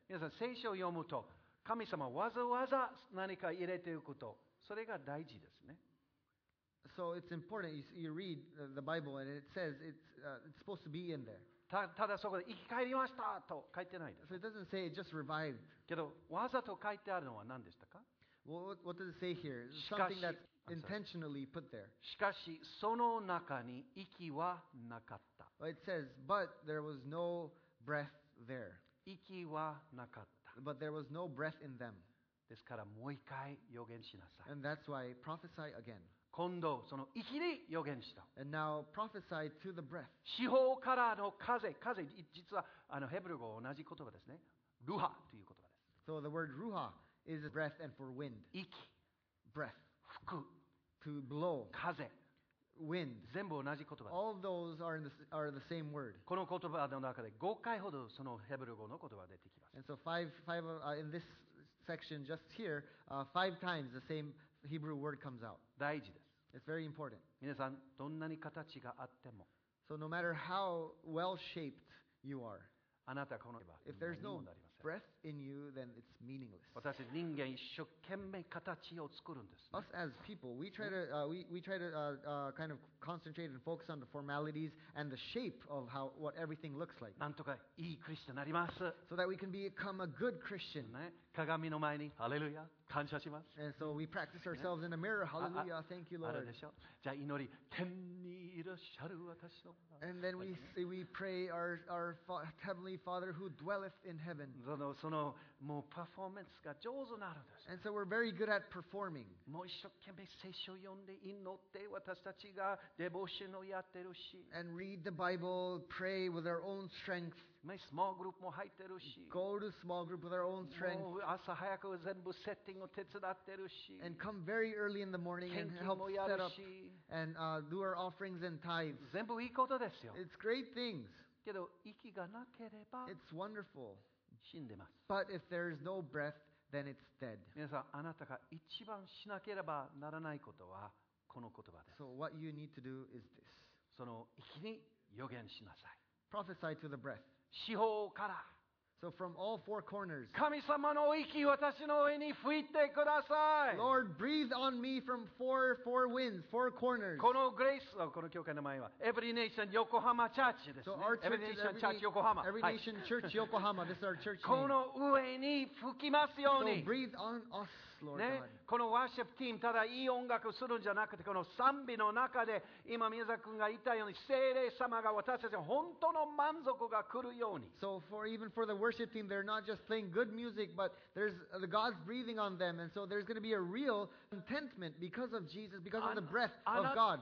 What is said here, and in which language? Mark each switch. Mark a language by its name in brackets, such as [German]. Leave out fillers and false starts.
[Japanese] 皆さん聖書を読むと、神様わざわざ何か入れていること、それが大事ですね。 [English] So it's important. You read the Bible, and it says it's supposed to be in there. [Japanese] ただそこで生き返りましたと書いてないです。 [English] So it doesn't say it just revived. [Japanese] けどわざと書いてあるのは何でしたか？ [English] What does it say here? Something that's intentionally put there. [Japanese] しかしその中に息はなかった。 [English] It says, but there was no breath there. [Japanese] 息はなかった。 [English] But there was no breath in them. [Japanese] ですからもう一回予言しなさい。 [English] And that's why prophesy again. [Japanese] 今度その息に予言した。 [English] And now prophesy to the breath. [Japanese] 四方からの風、風、実はあのヘブル語同じ言葉ですね。ルハという言葉です。 [English] So the word ruha is breath and for wind. [Japanese] 息、 [English] breath. [Japanese] 吹く、 [English] to blow. [Japanese] 風、 [English] wind. [Japanese] 全部同じ言葉です。 [English] All those are the same word. [Japanese] この言葉の中で5回ほどそのヘブル語の言葉が出てきます。 [English] And so five in this section just here, five times the same. Hebrew word comes out. [Japanese] 大事です。 [English] It's very important. [Japanese] 皆さん、どんなに形があっても、 [English] So no matter how well shaped you are, [Japanese] あなたこの言葉、 [English] If there's no breath in you, then it's meaningless. [Japanese] 私たち人間一生懸命形を作るんです、ね。 [English] Us as people, we try to kind of concentrate and focus on the formalities and the shape of how what everything looks like. [Japanese] なんとかいいクリスチャンになります。 [English] So that we can become a good Christian. [Japanese] ね、鏡の前に、ハレルヤ。感謝します。 [English] And so we practice ourselves in a mirror. Hallelujah. Thank you, Lord. [Japanese] あれでしょ。じゃあ祈り、天にいらっしゃる私の。 [English] And then we pray our heavenly Father who dwelleth in heaven. [Japanese] そのもうパフォーマンスが上手になるんです。 [English] And so we're very good at performing. [Japanese] もう一生懸命聖書読んで祈って私たちがデボーションをやってるし。 [English] And read the Bible, pray with our own strength. My small group [Japanese] も入ってるし、 [English] go to small group with our own strength. [Japanese] もう朝早く全部セッティングを手伝ってるし、 [English] and come very early in the morning and help set up and do our offerings and tithes. [Japanese] 全部いいことですよ。 [English] It's great things. [Japanese] けど息がなければ、 [English] it's wonderful. [Japanese] 死んでます。 [English] But if there is no breath, then it's dead. [Japanese] 皆さん、あなたが一番しなければならないことはこの言葉です。 [English] So what you need to do is this. [Japanese] その息に予言しなさい。 [English] Prophesy to the breath. [Japanese] 四方から。 [English] So from all four corners. [Japanese] 神様の息私の上に吹いてください。 [English] Lord, breathe on me from four winds, four corners. [Japanese] このグレース、この教会の名前は Every Nation Yokohama Church ですね。 [English] So our church is Every Nation Church Yokohama. Every Nation Church Yokohama. This is our church name. [Japanese] この上に吹きますように。 [English] So breathe on us, Lord God. [Japanese] ね、このワーシップチームただいい音楽するんじゃなくてこの賛美の中で今宮崎君が言ったように聖霊様が私たちの本当の満足が来るように。 [English] So for even for the worship team, they're not just playing good music, but there's the God's breathing on them, and so there's going to be a real contentment because of Jesus, because of the breath of God.